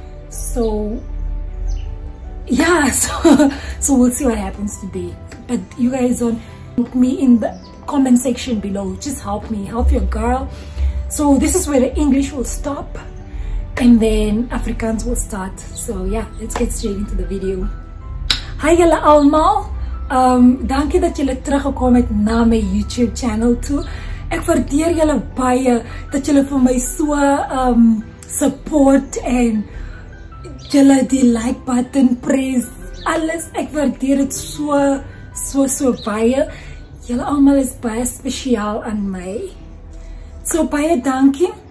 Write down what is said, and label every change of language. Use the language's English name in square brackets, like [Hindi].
[English] So, yeah, so we'll see what happens today. But you guys don't put me in the comment section below. Just help me, help your girl. So this is where the English will stop. And then Afrikaans will start. So yeah, let's get straight into the video. [Afrikaans] Hi julle almal. Dankie dat julle teruggekom het na my YouTube channel toe. Ek waardeer julle baie dat julle vir my so support en julle die like button press. Alles, ek waardeer dit so baie. Julle almal is baie spesiaal aan my. So baie dankie.